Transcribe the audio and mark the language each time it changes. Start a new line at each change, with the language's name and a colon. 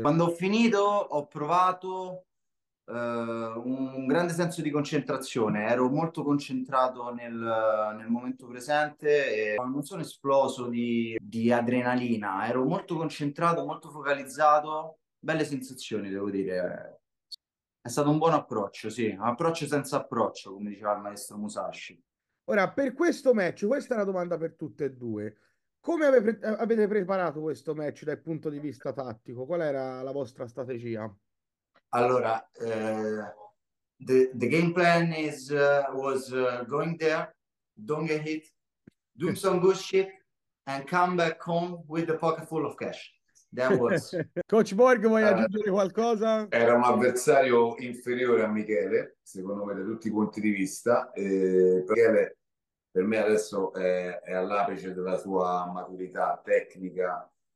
Italian: Quando ho finito ho provato un grande senso di concentrazione, ero molto concentrato nel momento presente e non sono esploso di adrenalina, ero molto concentrato, molto focalizzato, belle sensazioni devo dire. È stato un buon approccio, sì, un approccio senza approccio, come diceva il maestro Musashi. Ora, per questo match, questa è una domanda per tutte e due. Come avete preparato questo match dal punto di vista tattico? Qual era la vostra strategia? Allora,
English: the game plan was going there, don't get hit, do some good shit, and come back home with a pocket full of cash. That was.
Italian: Coach Borg, vuoi aggiungere qualcosa? Era un avversario inferiore a Michele, secondo me, da tutti i punti di vista. Michele, per me, adesso è all'apice della sua maturità tecnica.